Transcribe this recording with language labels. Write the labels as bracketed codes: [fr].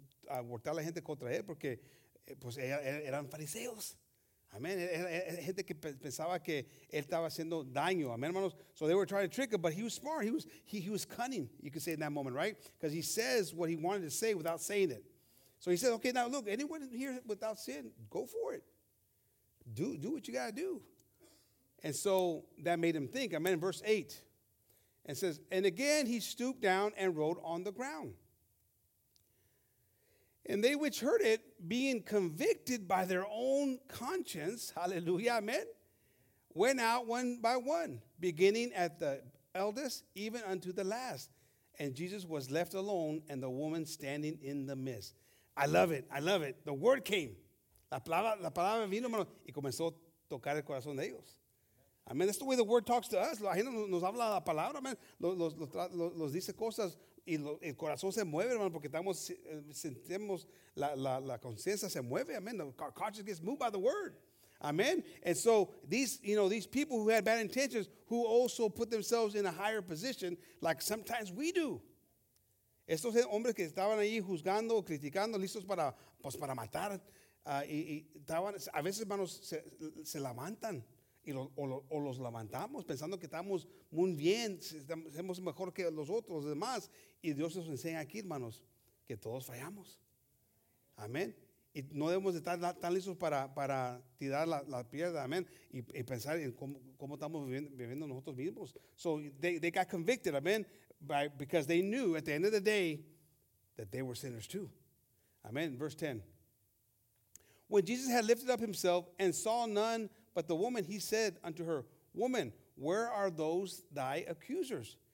[es] abortar a la gente contra él porque pues eran fariseos. Amén. Gente que pensaba que él estaba haciendo daño. Amén, hermanos. [en] So they were trying to trick him, but he was smart. He was cunning, you could say, in that moment, right? Because he says what he wanted to say without saying it. So he said, okay, now look, anyone here without sin, go for it. Do what you got to do. And so that made him think. Amen. In verse 8, it says, and again he stooped down and wrote on the ground. And they which heard it, being convicted by their own conscience, hallelujah, amen, went out one by one, beginning at the eldest, even unto the last. And Jesus was left alone, and the woman standing in the midst. I love it. The word came. [es] La palabra vino, hermano, y comenzó a tocar el corazón de ellos. [en] Amen. That's the way the word talks to us. [es] La gente nos habla la palabra, amen. Los dice cosas. Y el corazón se mueve, hermano, porque estamos, sentimos la conciencia se mueve, amen. [en] The conscience gets moved by the word, amen. And so these people who had bad intentions, who also put themselves in a higher position, like sometimes we do. [es] Estos hombres que estaban ahí juzgando, criticando, listos para, pues para matar, y estaban, a veces, hermanos, se levantan. O los levantamos pensando que estamos muy bien, somos mejor que los otros, los demás. Y Dios nos enseña aquí, hermanos, que todos fallamos. Amén. Y no debemos de estar tan listos para tirar la piedra, amén. Y pensar en cómo estamos viviendo nosotros mismos. [en] So they got convicted, amén. Because they knew at the end of the day that they were sinners too. Amén. Verse 10. When Jesus had lifted up himself and saw none but the woman, he said unto her, woman, where are those thy accusers?